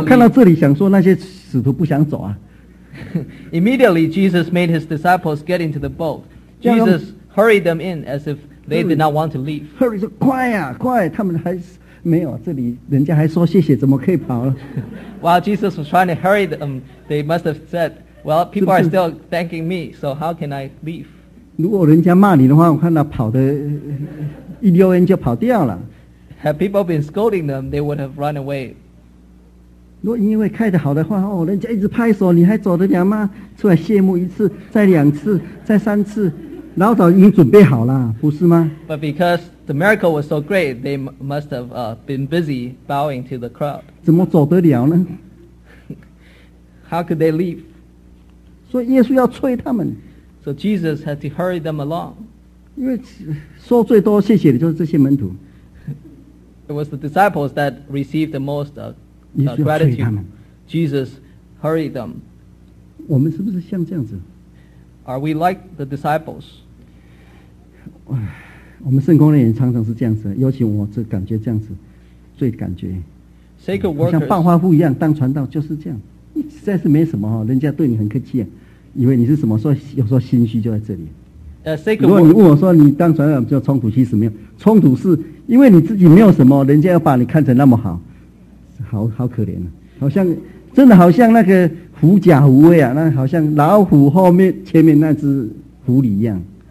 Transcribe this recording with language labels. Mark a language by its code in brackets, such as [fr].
[zh] 我看到这里想说那些使徒不想走啊 [en] Immediately Jesus made his disciples get into the boat Jesus hurried them in as if They did not want to leave. Hurry, [zh] 说快啊快，他们还没有，这里人家还说谢谢，怎么可以跑了？ [en] While Jesus was trying to hurry them, they must have said, well, people [zh] 是不是? [en] Are still thanking me, so how can I leave? [zh] 如果人家骂你的话，我看他跑的一溜烟就跑掉了。 Had people been scolding them, they would have run away. 如果因为开得好的话，哦，人家一直拍手，你还走得了吗？出来谢幕一次，再两次，再三次，老早已经准备好了，不是吗？ [en] But because the miracle was so great, they must have been busy bowing to the crowd. [zh] 怎么走得了呢？ [en] How could they leave? [zh] 所以耶稣要催他们。 [en] So Jesus had to hurry them along. [zh] 因为说最多谢谢的就是这些门徒。 [en] It was the disciples that received the most gratitude. Jesus hurried them. [zh] 我们是不是像这样子？ [en] Are we like the disciples? [zh] 我们圣工人员常常是这样子，尤其我这感觉这样子，最感觉。 [en] Sacred workers [zh] 像暴发户一样当传道就是这样，实在是没什么，人家对你很客气，以为你是什么，说有时候心虚就在这里。 [en] Sacred [zh] 如果你问我说你当传道就冲突，其实没有冲突，是因为你自己没有什么，人家要把你看成那么好，好好可怜啊，好像真的好像那个狐假虎威啊，那好像老虎后面前面那只狐狸一样。